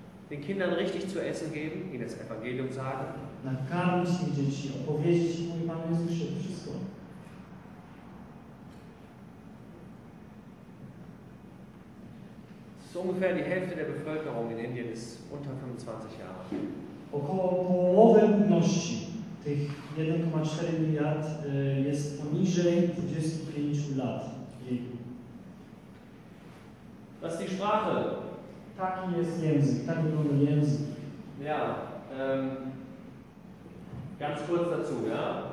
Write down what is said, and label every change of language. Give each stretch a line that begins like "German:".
German: Den Kindern richtig zu essen geben, ihnen das Evangelium sagen.
Polish: Nakarmić tych dzieci, opowiedzieć im Panu Jezusie wszystko.
German: So ungefähr die Hälfte der Bevölkerung in Indien ist unter 25 Jahre.
Polish: Około połowy ludności, tych 1,4 miliard, jest poniżej 25 lat wieku.
German: Das ist die Sprache.
Polish: Taki jest język, taki wygląda język.
German: Ja, ganz kurz dazu, ja?